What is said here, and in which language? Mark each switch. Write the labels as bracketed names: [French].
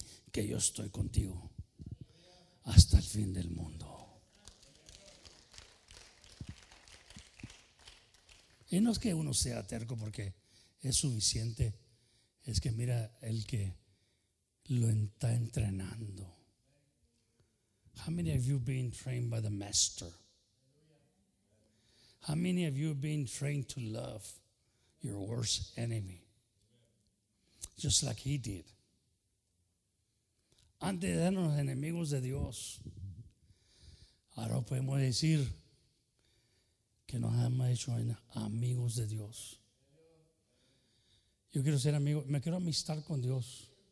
[Spanish] Que yo estoy contigo hasta el fin del mundo. Y no es que uno sea terco, porque es suficiente. Es que mira el que lo está entrenando. [English] How many of you been trained by the master? How many of you have been trained to love your worst enemy? Just like he did. [Spanish] Antes de darnos enemigos de Dios, ahora podemos decir que nos hemos hecho amigos de Dios. Yo quiero ser amigo, me quiero amistar con Dios.